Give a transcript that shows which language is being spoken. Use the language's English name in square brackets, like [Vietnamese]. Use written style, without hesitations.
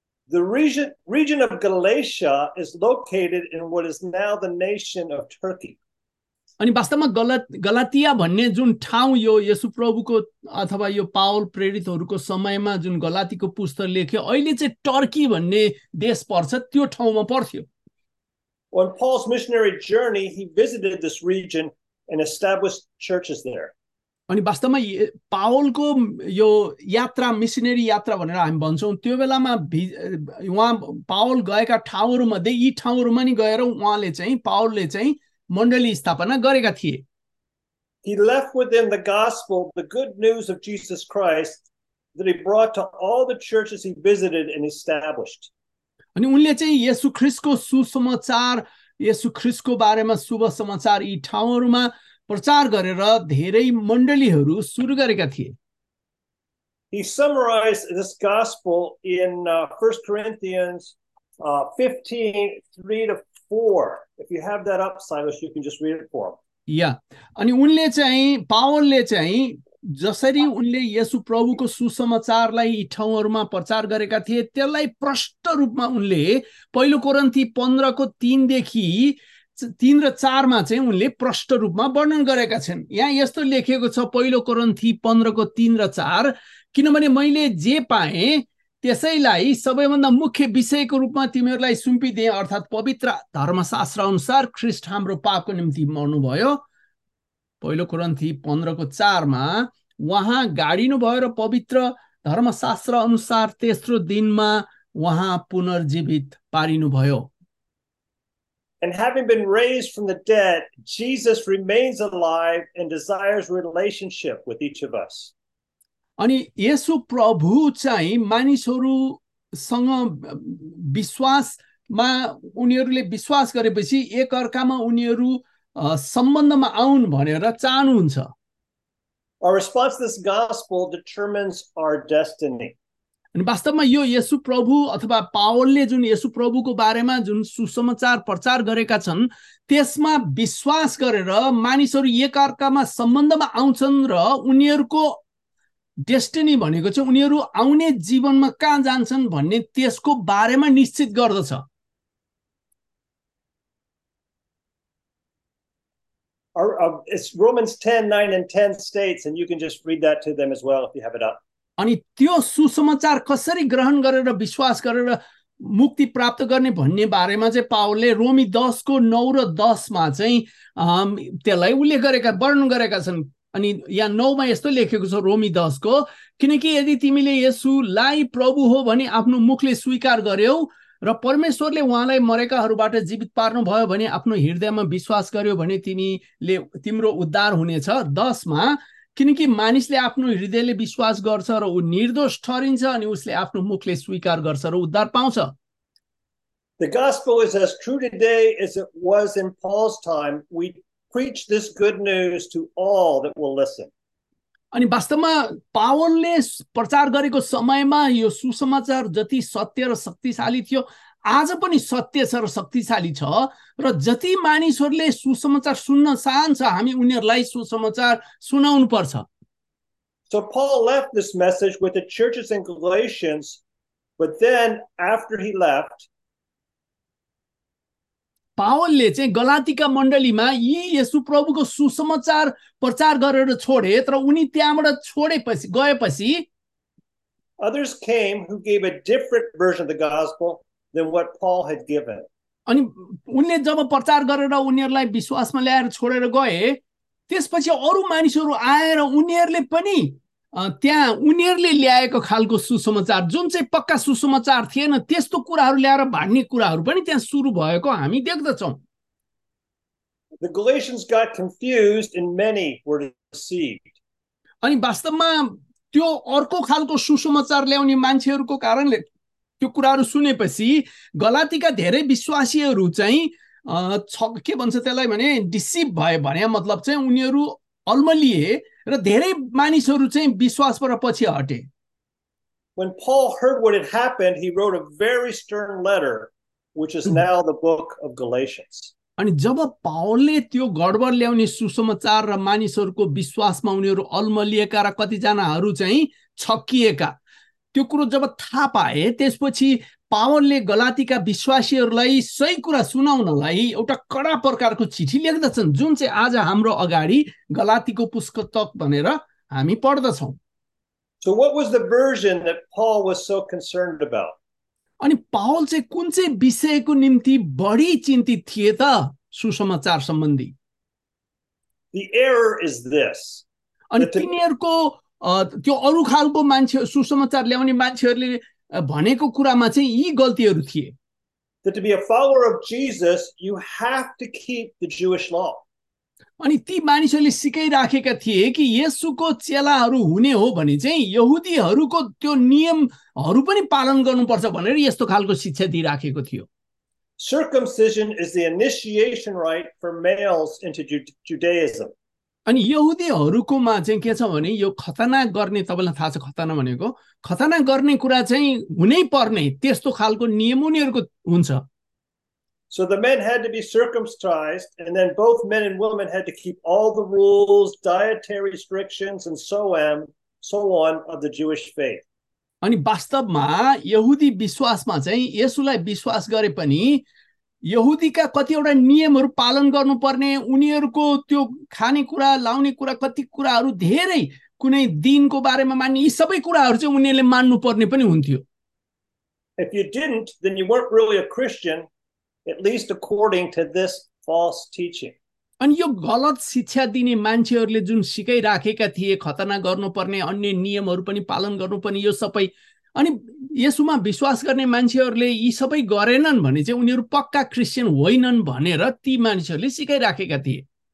[English] The region of Galatia is located in what is now the nation of Turkey. [Nepali] अनि वास्तवमा गलातिया भन्ने जुन ठाउँ यो येशुप्रभुको अथवा यो पावल प्रेरितहरूको समयमा जुन गलातीको पुस्तक लेख्यो अहिले चाहिँ टर्की भन्ने देश पर्छ त्यो ठाउँमा पर्थ्यो। [English] On Paul's missionary journey, he visited this region and established churches there. [Nepali] अनि वास्तवमा पावलको यो यात्रा मिसिनेरी यात्रा भनेर हामी भन्छौँ त्यो बेलामा उहाँ पावल गएका ठाउँहरूमध्ये यी ठाउँहरूमा नि गएर उहाँले चाहिँ पावलले चाहिँ मण्डली स्थापना गरेका थिए। [English] He left with them the gospel, the good news of Jesus Christ, that he brought to all the churches he visited and established. [Nepali] अनि उनले चाहिँ येशु ख्रिस्टको सुसमाचार येशु ख्रिस्टको बारेमा शुभ समाचार यी ठाउँहरूमा प्रचार गरेर धेरै मण्डलीहरू सुरु गरेका थिए। [English] He summarized this gospel in 1 Corinthians 15:3-4. If you have that up, Silas, you can just read it for him. [Nepali] अनि उनले चाहिँ पावलले चाहिँ जसरी उनले येशु प्रभुको सुसमाचारलाई यी ठाउँहरूमा प्रचार गरेका थिए त्यसलाई प्रष्ट रूपमा उनले पहिलो कोरन्थी 15:3-4 चाहिँ उनले प्रष्ट रूपमा वर्णन गरेका छन्। यहाँ यस्तो लेखिएको छ पहिलो कोरन्थी 15:3-4 किनभने मैले जे पाएँ त्यसैलाई सबैभन्दा मुख्य विषयको रूपमा तिमीहरूलाई सुम्पिदिए अर्थात् पवित्र धर्मशास्त्र अनुसार ख्रिस्ट हाम्रो पापको निम्ति मर्नुभयो। पहिलो कोरन्थी 15:4 उहाँ गाडिनु भयो र पवित्र धर्मशास्त्र अनुसार तेस्रो दिनमा उहाँ पुनर्जीवित पारिनुभयो। [English] And having been raised from the dead, Jesus remains alive and desires relationship with each of us. [Nepali] अनि येशु प्रभु चाहिँ मानिसहरूसँग विश्वासमा उनीहरूले विश्वास गरेपछि एक अर्कामा उनीहरू सम्बन्धमा आउन् भनेर चाहनुहुन्छ। [English] Our response to this gospel determines our destiny. [Nepali] अनि वास्तवमा यो येशु प्रभु अथवा पावलले जुन येशु प्रभुको बारेमा जुन सुसमाचार प्रचार गरेका छन् त्यसमा विश्वास गरेर मानिसहरू एकअर्कामा सम्बन्धमा आउँछन् र उनीहरूको डेस्टिनी भनेको चाहिँ उनीहरू आउने जीवनमा कहाँ जान्छन् भन्ने त्यसको बारेमा निश्चित गर्दछ। [English] It's Romans 10, 9, and 10 states, and you can just read that to them as well if you have it up. [Nepali] अनि त्यो सुसमाचार कसरी ग्रहण गरेर विश्वास गरेर मुक्ति प्राप्त गर्ने भन्ने बारेमा चाहिँ पावलले रोमी 10:9-10 चाहिँ त्यसलाई उल्लेख गरेका वर्णन गरेका छन्। अनि यहाँ 9 यस्तो लेखेको छ रोमी 10 किनकि यदि तिमीले येशूलाई प्रभु हो भने आफ्नो मुखले स्वीकार गर्यौ र परमेश्वरले उहाँलाई मरेकाहरूबाट जीवित पार्नुभयो भने आफ्नो हृदयमा विश्वास गर्यो भने तिमीले तिम्रो उद्धार हुनेछ। 10 किनकि मानिसले आफ्नो हृदयले विश्वास गर्छ र ऊ निर्दोष ठहरिन्छ अनि उसले आफ्नो मुखले स्वीकार गर्छ र उद्धार पाउँछ। [English] The gospel is as true today as it was in Paul's time. We preach this good news to all that will listen. [Nepali] अनि वास्तवमा पावलले प्रचार गरेको समयमा यो सुसमाचार जति सत्य र शक्तिशाली थियो आज पनि सत्य छ र शक्तिशाली छ र जति मानिसहरूले सुसमाचार सुन्न चाहन्छ हामी उनीहरूलाई सुसमाचार सुनाउनु पर्छ। [English] So Paul left this message with the churches in Galatians, but then after he left, [Nepali] पावलले चाहिँ गलातीका मण्डलीमा यी येशु प्रभुको सुसमाचार प्रचार गरेर छोडे तर उनी त्यहाँबाट छोडेपछि गएपछि [English] others came who gave a different version of the gospel than what Paul had given. [Nepali] अनि उनले जब प्रचार गरेर उनीहरूलाई विश्वासमा ल्याएर छोडेर गए त्यसपछि अरू मानिसहरू आएर उनीहरूले पनि त्यहाँ उनीहरूले ल्याएको खालको सुसमाचार जुन चाहिँ पक्का सुसमाचार थिएन त्यस्तो कुराहरू ल्याएर भाड्ने कुराहरू पनि त्यहाँ सुरु भएको हामी देख्दछौँ। [English] The Galatians got confused and many were deceived. [Nepali] अनि वास्तवमा त्यो अर्को खालको सुसमाचार ल्याउने मान्छेहरूको कारणले त्यो कुराहरू सुनेपछि गलातीका धेरै विश्वासीहरू चाहिँ के भन्छ त्यसलाई भने डिसिभ भए भने मतलब चाहिँ उनीहरू अल्मलिए र धेरै मानिसहरू चाहिँ विश्वासबाट पछि हटे। [English] When Paul heard what had happened, he wrote a very stern letter, which is now the book of Galatians. [Nepali] अनि जब पावलले त्यो गडबड ल्याउने सुसमाचार र मानिसहरूको विश्वासमा उनीहरू अल्मलिएका र कतिजनाहरू चाहिँ छक्किएका त्यो कुरो जब थाहा पाए त्यसपछि पावलले गलातीका विश्वासीहरूलाई सही कुरा सुनाउनलाई एउटा कडा प्रकारको चिठी लेख्दछन् जुन चाहिँ आज हाम्रो अगाडि गलातीको पुस्तक भनेर हामी पढ्दछौँ। [English] So what was the version that Paul was so concerned about? [Nepali] अनि पावल चाहिँ कुन चाहिँ विषयको निम्ति बढी चिन्तित थिए त सुसमाचार सम्बन्धी? [English] The error is this. [Nepali] अनि तिनीहरूको त्यो अरू खालको मान्छे सुसमाचार ल्याउने मान्छेहरूले भनेको कुरामा चाहिँ यी गल्तीहरू थिए। [English] That to be a follower of Jesus, you have to keep the Jewish law. [Nepali] अनि ती मानिसहरूले सिकाइराखेका थिए कि येशूको चेलाहरू हुने हो भने चाहिँ यहुदीहरूको त्यो नियमहरू पनि पालन गर्नुपर्छ भनेर यस्तो खालको शिक्षा दिइराखेको थियो। [English] Circumcision is the initiation rite for males into Judaism. [Nepali] अनि यहुदीहरूकोमा चाहिँ के छ भने यो खतना गर्ने तपाईँलाई थाहा छ खतना भनेको खतना गर्ने कुरा चाहिँ हुनै पर्ने त्यस्तो खालको नियम उनीहरूको हुन्छ। [English] So the men had to be circumcised and then both men and women had to keep all the rules, dietary restrictions and so on of the Jewish faith. [Nepali] अनि वास्तवमा यहुदी विश्वासमा चाहिँ येशूलाई विश्वास गरे पनि यहुदीका कतिवटा नियमहरू पालन गर्नुपर्ने उनीहरूको त्यो खानेकुरा लाउने कुरा कति कुराहरू धेरै कुनै दिनको बारेमा मान्ने यी सबै कुराहरू चाहिँ उनीहरूले मान्नुपर्ने पनि हुन्थ्यो। [English] If you didn't, then you weren't really a Christian. At least according to this false teaching. [Nepali] अनि यो गलत शिक्षा दिने मान्छेहरूले जुन सिकाइराखेका थिए खतना गर्नुपर्ने अन्य नियमहरू पनि पालन गर्नुपर्ने यो सबै अनि येशूमा विश्वास गर्ने मान्छेहरूले यी सबै गरेनन् भने चाहिँ उनीहरू पक्का क्रिस्चियन होइनन् भनेर ती मानिसहरूले सिकाइराखेका थिए।